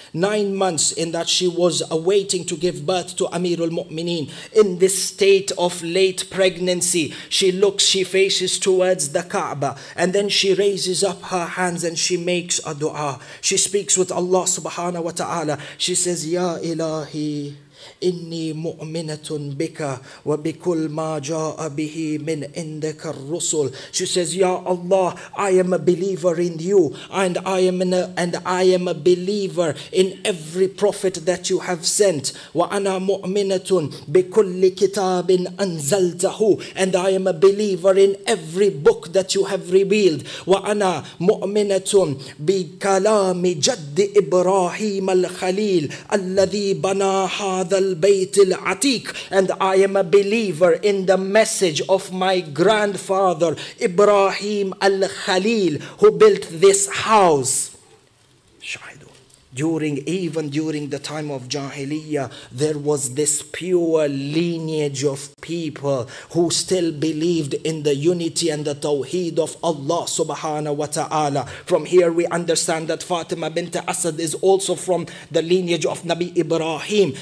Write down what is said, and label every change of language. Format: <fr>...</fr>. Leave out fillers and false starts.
<en>9 months in that she was awaiting to give birth to Amir al-Mu'mineen. In this state of late pregnancy, she looks, she faces towards the Kaaba, and then she raises up her hands and she makes a dua. She speaks with Allah subhanahu wa ta'ala. She says, Ya Ilahi,</en> <ar>إني مؤمنة بك وبكل ما جاء به من عندك الرسل.</ar> <en>She says,</en> <ar>يا الله,</ar> <en>I am a believer in you and I am a believer in every prophet that you have sent.</en> <ar>وأنا مؤمنة بكل كتاب أنزلته,</ar> <en>and I am a believer in every book that you have revealed.</en> <ar>وأنا مؤمنة بكلام جد إبراهيم الخليل الذي بنى هذا البيت العتيق,</ar> <en>and I am a believer in the message of my grandfather Ibrahim al-Khalil, who built this house. During the time of Jahiliyyah, there was this pure lineage of people who still believed in the unity and the tawheed of Allah subhanahu wa ta'ala. From here we understand that Fatima bint Asad is also from the lineage of Nabi Ibrahim.</en>